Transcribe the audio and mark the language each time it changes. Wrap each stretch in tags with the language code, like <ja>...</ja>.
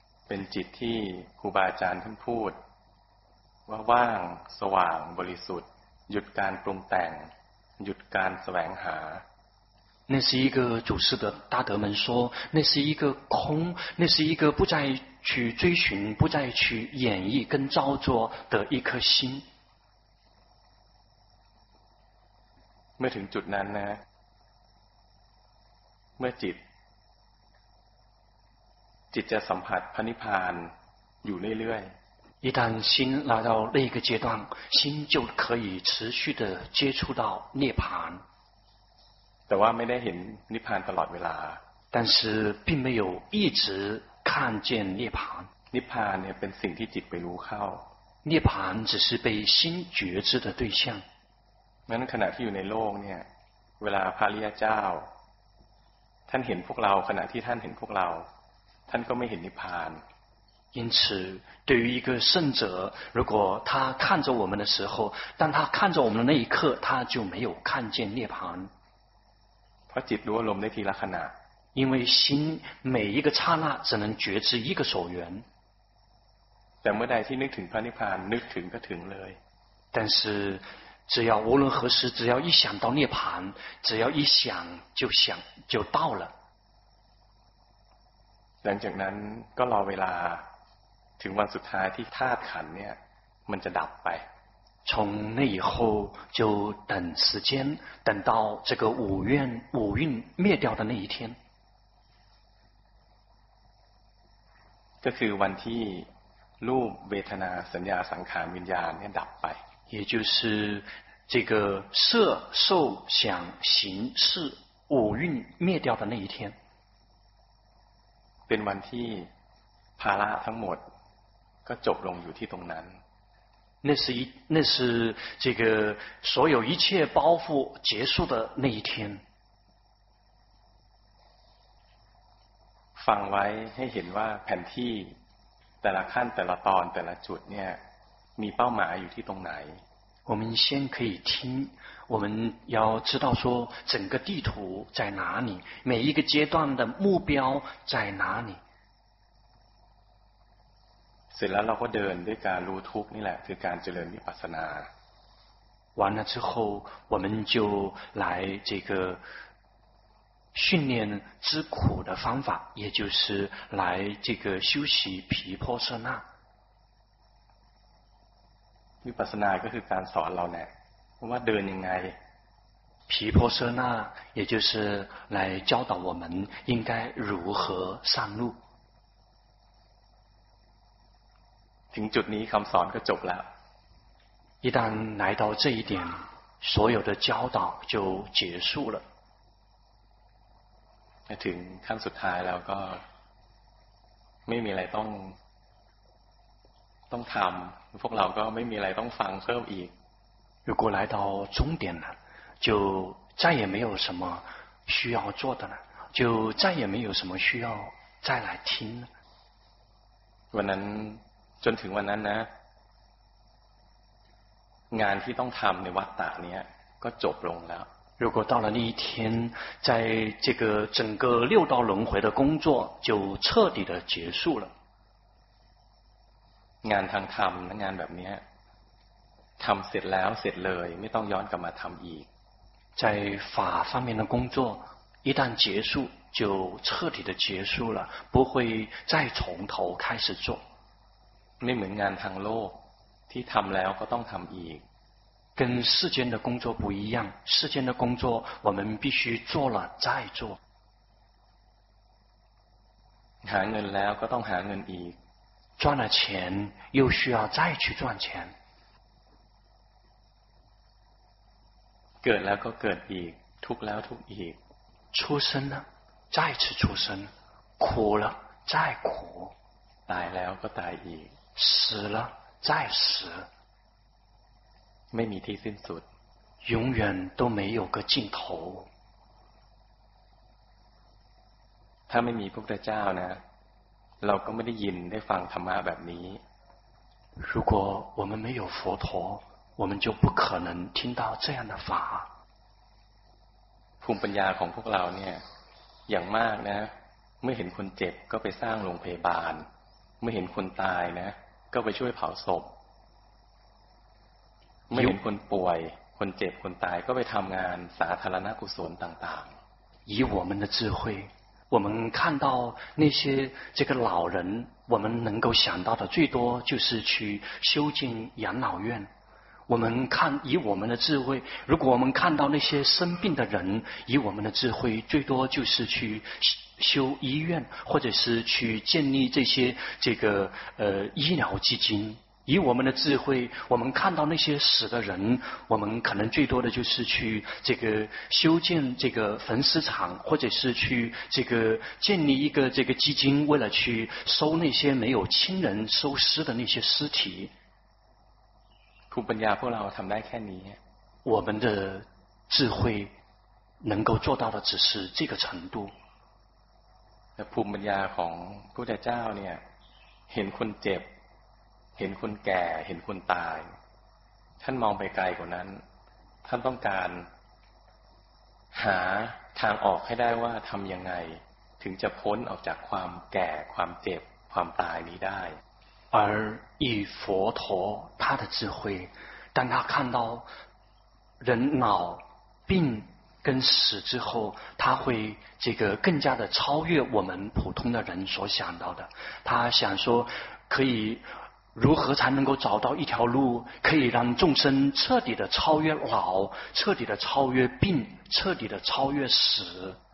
<th>ป็นจิตที่ครูบาอาจารย์ท่านพูดว่าว่างสว่างบริสุทธิ์หยุดการปรุงแต่งหยุดการแสวงหา</th> <zh>那是一个祖师的大德们说，那是一个空，那是一个不再去追寻、不再去演绎跟造作的一颗心。</zh> <th>เมื่อถึงจุดนั้นนะเมื่อจิตจะสัมผัสพระนิพพานอยู่เรื่อย</th> <zh>ๆ一旦心来到那个阶段，心就可以持续的接触到涅槃。</zh> <th>แต่ว่าไม่ได้เห็นนิพพานตลอดเวลา</th> <zh>但是并没有一直看见涅槃。</zh> <th>นิพพานเนี่ยเป็นสิ่งที่จิตไปรู้เข้า</th> <zh>涅槃只是被心觉知的对象。</zh> <th>นั้นขณะที่อยู่ในโลกเนี่ยเวลาพระอริยเจ้าท่านเห็นพวกเราขณะที่ท่านเห็นพวกเราท่านก็ไม่เห็นนิพพาน</th> <zh>因此对于一个圣者如果他看着我们的时候当他看着我们的那一刻他就没有看见涅槃</zh> <th>เพราะจิตรู้อารมณ์ได้ทีละขณะ</th> <zh>因为心每一个刹那只能觉知一个所缘</zh> <th>แต่เมื่อใดที่นึกถึงพระนิพพานนึกถึงก็ถึงเลย</th> <zh>但是只要无论何时只要一想到涅槃只要一想就想就到了</zh> <th>หลังจากนั้นก็รอเวลาถึงวันสุดท้ายที่ธาตุขันเนี่ยมันจะดับไป</th> <zh>从那以后就等时间等到这个五蕴灭掉的那一天</zh> <th>ก็คือวันที่รูปเวทนาสัญญาสังขารวิญญาณเนี่ยดับไป</th> <zh>也就是这个色受想行识五蕴灭掉的那一天</zh> <th>เป็นวันที่ภาระทั้งหมดก็จบลงอยู่ที่ตรงนั้น</th> <zh>那是这个所有一切包袱结束的那一天</zh> <th>ฟังไว้ให้เห็นว่าแผ่นที่แต่ละขั้นแต่ละตอนแต่ละจุดเนี่ยมีเป้าหมายอยู่ที่ตรงไหน</th> <zh>我们先可以听我们要知道说整个地图在哪里每一个阶段的目标在哪里</zh> <th>เสร็จแล้วเราก็เดินด้วยการรู้ทุกข์นี่แหละคือการเจริญวิปัสสนา</th> <zh>完了之后我们就来这个训练知苦的方法也就是来这个修习毗婆舍那</zh> <th>วิปัสสนาก็คือการสอนเราเนี่ยว่าเดินยังไง</th> <zh>毗婆舍那也就是来教导我们应该如何上路</zh> <th>ถึงจุดนี้คำสอนก็จบแล้ว</th> <zh>一旦来到这一点所有的教导就结束了</zh> <th>ถึงขั้นสุดท้ายแล้วก็ไม่มีอะไรต้องทำพวกเราก็ไม่มีอะไรต้องฟังเพิ่มอีก</th> <zh>如果来到终点了就再也没有什么需要做的了就再也没有什么需要再来听</zh> <th>วันนั้นจนถึงวันนั้นนะงานที่ต้องทำในวัฏฏะเนี้ยก็จบลงแล้ว</th> <zh>如果到了那一天在这个整个六道轮回的工作就彻底的结束了</zh> <th>งานทางธรรมงานแบบนี้ทำเสร็จแล้วเสร็จเลยไม่ต้องย้อนกลับมาทำอีก</th> <zh>在法方面的工作一旦结束就彻底的结束了不会再从头开始做</zh> <th>ไม่เหมือนงานทางโลกที่ทำแล้วก็ต้องทำอีก</th> <zh>跟世间的工作不一样世间的工作我们必须做了再做</zh> <th>หาเงินแล้วก็ต้องหาเงินอีก</th> <zh>赚了钱又需要再去赚钱</zh> <th>เกิดแล้วก็เกิดอีกทุกข์แล้วทุกข์อีก</th> <zh>出生了再次出生苦了再苦</zh> <th>ตายแล้วก็ตายอีก</th> <zh>死了再死</zh> <th>ไม่มีที่สิ้นสุด</th> <zh>永远都没有个尽头</zh> <th>ถ้าไม่มีพระพุทธเจ้านะเราก็ไม่ได้ยินได้ฟังธรรมะแบบนี้</th> <zh>如果我们没有佛陀我们就不可能听到这样的法</zh> <th>ภูมิปัญญาของพวกเราเนี่ยอย่างมากนะเมื่อเห็นคนเจ็บก็ไปสร้างโรงพยาบาลื่อเห็นคนตายนะก็ไปช่วยเผาศพไม่เห็นคนป่วยคนเจ็บคนตายก็ไปทำงานสาธารณกุศลต่าง</th> <zh>ๆ以我们的智慧我们看到那些这个老人我们能够想到的最多就是去修建养老院我们看以我们的智慧如果我们看到那些生病的人以我们的智慧最多就是去修医院或者是去建立这些这个医疗基金以我们的智慧我们看到那些死的人我们可能最多的就是去这个修建这个焚尸场或者是去这个建立一个这个基金为了去收那些没有亲人收尸的那些尸体</zh> <th>ภูมิปัญญาพวกเราทำได้แค่นี้</th> <zh>我们的智慧能够做到的只是这个程度</zh> <th>ภูมิปัญญาของพระพุทธเจ้าเนี่ยเห็นคนเจ็บเห็นคนแก่เห็นคนตายท่านมองไปไกลกว่านั้นท่านต้องการหาทางออกให้ได้ว่าทำยังไงถึงจะพ้นออกจากความแก่ความเจ็บความตายนี้ได้</th> <zh>而以佛陀他的智慧当他看到人老病跟死之后他会这个更加的超越我们普通的人所想到的他想说可以如何才能够找到一条路可以让众生彻底的超越老彻底的超越病彻底的超越死</zh>